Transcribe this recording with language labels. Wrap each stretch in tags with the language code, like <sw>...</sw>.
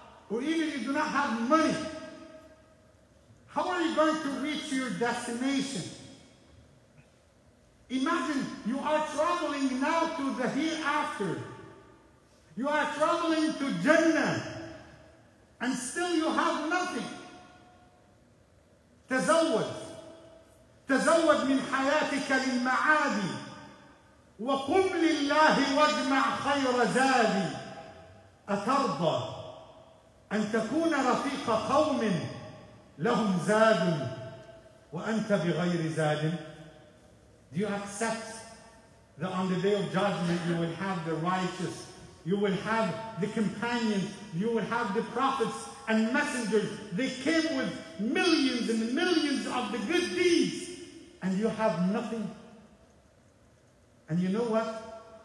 <en>Or even if you do not have money, how are you going to reach your destination? Imagine you are traveling now to the hereafter. You are traveling to Jannah, and still you have nothing.</en> <ar>Tazawwad. تزود من حياتك للمعادي وقم لله واجمع خير زادي أترضى أن تكون رفيق قوم لهم زاد وأنت بغير زاد.</ar> <en>Do you accept that on the day of judgment you will have the righteous, you will have the companions, you will have the prophets and messengers? They came with millions and millions of the good deeds, and you have nothing. And you know what?</en>